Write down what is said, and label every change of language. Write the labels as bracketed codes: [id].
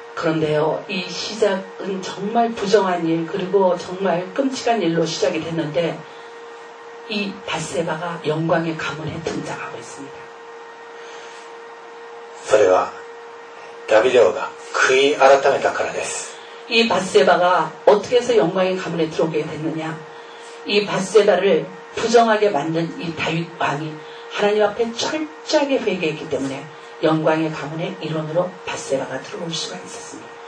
[ko] 그런데요, 이 시작은 정말 부정한 일, 그리고 정말 끔찍한 일로 시작이 됐는데, 이 바세바가 영광의 가문에 등장하고 있습니다. [ja] それは、ダビデ王が悔い改めたからです。 [ko] 이 바세바가 어떻게 해서 영광의 가문에 들어오게 됐느냐? 이 바세바를 부정하게 만든 이 다윗 왕이 하나님 앞에 철저하게 회개했기 때문에, 영광의 가문의 일원으로 바세바가 들어올 수가 있었습니다.